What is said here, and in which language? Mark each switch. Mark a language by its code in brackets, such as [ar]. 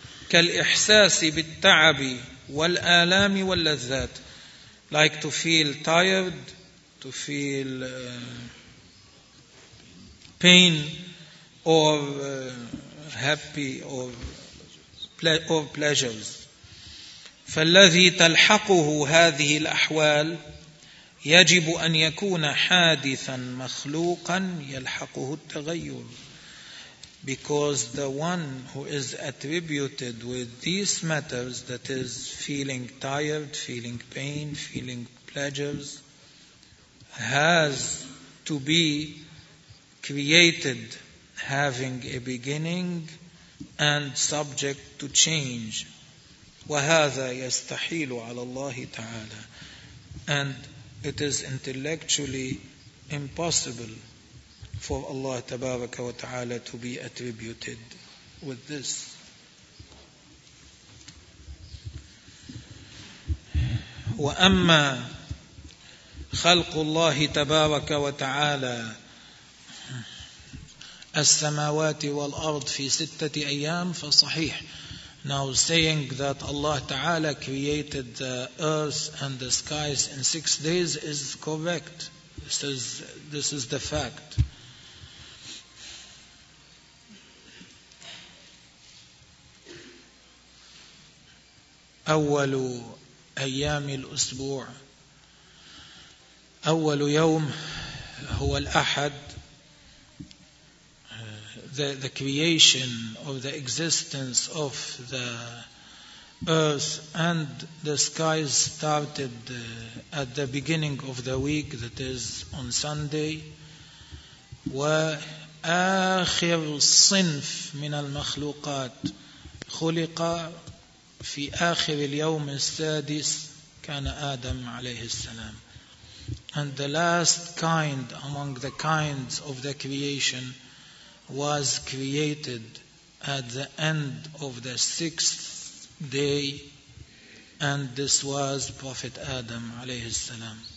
[ar] كالإحساس بالتعب والآلام واللذات، [en] like to feel tired, to feel pain or happy or pleasures. [ar] فالذي تلحقه هذه الأحوال يجب أن يكون حادثا مخلوقا يلحقه التغير. [en] Because the one who is attributed with these matters, that is feeling tired, feeling pain, feeling pleasures, has to be created having a beginning and subject to change. [ar] وهذا يستحيل على الله تعالى. [en] And it is intellectually impossible for Allah [ar] تبارك وتعالى [en] to be attributed with this. [ar] وأما خلق الله تبارك وتعالى السماوات والأرض في ستة أيام فصحيح. [en] Now saying that Allah Ta'ala created the earth and the skies in 6 days is correct. This is the fact. [ar] أول أيام الأسبوع. أول يوم هو الأحد. [en] The creation of the existence of the earth and the skies started at the beginning of the week, that is on Sunday. [ar] وآخر صنف من المخلوقات خلق في آخر اليوم السادس كان آدم عليه السلام. [en] And the last kind among the kinds of the creation was created at the end of the sixth day, and this was Prophet Adam [ar] عليه السلام.